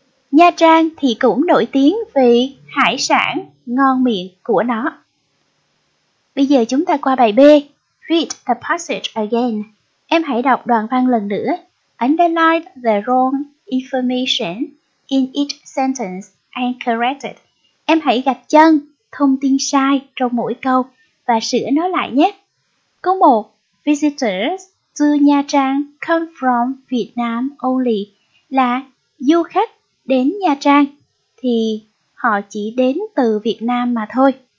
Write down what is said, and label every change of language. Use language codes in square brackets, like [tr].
[vi] Nha Trang thì cũng nổi tiếng vì hải sản ngon miệng của nó. Bây giờ chúng ta qua bài B. [en] Read the passage again. [vi] Em hãy đọc đoạn văn lần nữa. [en] underline the wrong information in each sentence and correct it. [vi] Em hãy gạch chân thông tin sai trong mỗi câu và sửa nó lại nhé. Câu 1. [en] Visitors to Nha Trang come from Vietnam only [vi] là du khách đến Nha Trang thì họ chỉ đến từ Việt Nam mà thôi.